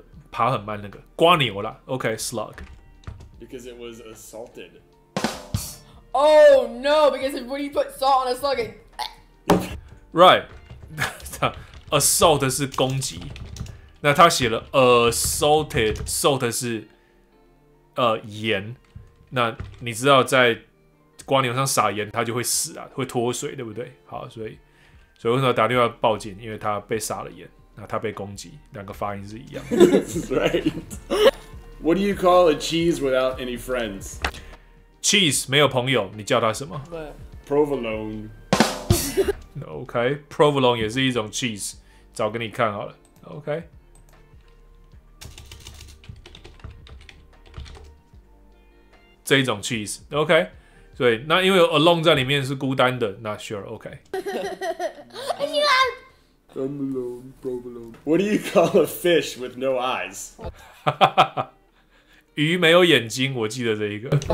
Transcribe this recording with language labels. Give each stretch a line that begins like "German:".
Chinese: 爬很慢那个瓜牛啦 ，OK slug。
English: Because it was assaulted. Oh no! Because when you put salt on a slug, it... right?
Chinese: Assault 是攻击，那他写了 assaulted， salt 是盐。那你知道在瓜牛上撒盐，他就会死啊，会脱水，对不对？好，所以为什么打电话报警？因为他被撒了盐。那他被攻击，两个发音是一样的。
English: Right. What do you call a cheese without any friends?
Chinese: Cheese 没有朋友，你叫它什么
English: ？Provolone.
Chinese: Okay, provolone 也是一种 cheese。找给你看好了。Okay. This 一种 cheese.
English: Okay.
Chinese: 所以那因为有 alone 在里面是孤单的 ，
English: Not sure. Okay. I'm alone, provolone. What do you call a fish with no eyes?
Chinese: 鱼没有眼睛，我记得这一个。